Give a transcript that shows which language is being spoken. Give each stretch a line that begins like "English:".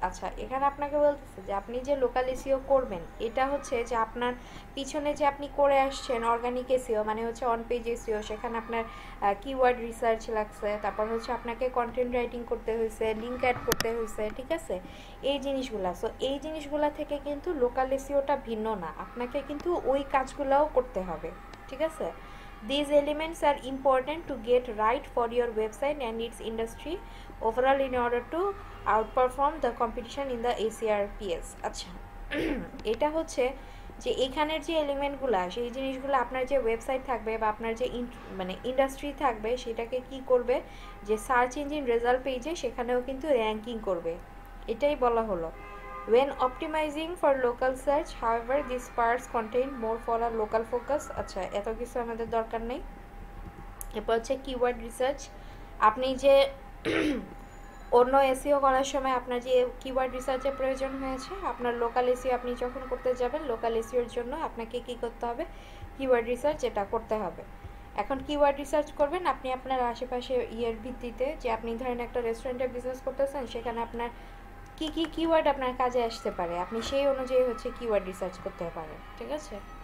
Bangla: আচ্ছা এখানে আপনাকে বলতেছে যে আপনি যে লোকাল এসিও করবেন এটা হচ্ছে যে আপনার পিছনে যে আপনি করে আসছেন অর্গানিক এসিও মানে হচ্ছে অন পেজ এসিও, সেখানে আপনার কিওয়ার্ড রিসার্চ লাগছে, তারপর হচ্ছে আপনাকে কন্টেন্ট রাইটিং করতে হয়েছে, লিঙ্ক অ্যাড করতে হয়েছে, ঠিক আছে, এই জিনিসগুলো। সো এই জিনিসগুলো থেকে কিন্তু লোকাল এসিওটা ভিন্ন না, আপনাকে কিন্তু ওই কাজগুলোও করতে হবে, ঠিক আছে।
English: These elements are important to get right for your website and its industry overall in order to outperform the competition in the ACRPS.
Bangla: আচ্ছা, এটা হচ্ছে যে এখানের যে এলিমেন্টগুলো, সেই জিনিসগুলো আপনার যে ওয়েবসাইট থাকবে বা আপনার যে মানে ইন্ডাস্ট্রি থাকবে সেটাকে কি করবে, যে সার্চ ইঞ্জিন রেজাল্ট পেজে সেখানেও কিন্তু র্যাঙ্কিং করবে, এটাই বলা হলো।
English: When optimizing for local search, however, these parts contain more for a local focus.
Bangla: আচ্ছা, এত কিছু আমাদের দরকার নেই। এরপর হচ্ছে কিওয়ার্ড রিসার্চ। আপনি যে অন্য এসইও করার সময় আপনার যে কিওয়ার্ড রিসার্চের প্রয়োজন হয়েছে, আপনার লোকাল এসইও আপনি যখন করতে যাবেন, লোকাল এসইওর জন্য আপনাকে কী করতে হবে, কিওয়ার্ড রিসার্চ এটা করতে হবে। এখন কিওয়ার্ড রিসার্চ করবেন আপনি আপনার আশেপাশে ইয়ের ভিত্তিতে, যে আপনি ধরেন একটা রেস্টুরেন্টের বিজনেস করতেছেন, সেখানে আপনার কী কী কিওয়ার্ড আপনার কাজে আসতে পারে, আপনি সেই অনুযায়ী হচ্ছে কিওয়ার্ড রিসার্চ করতে পারেন। ঠিক আছে।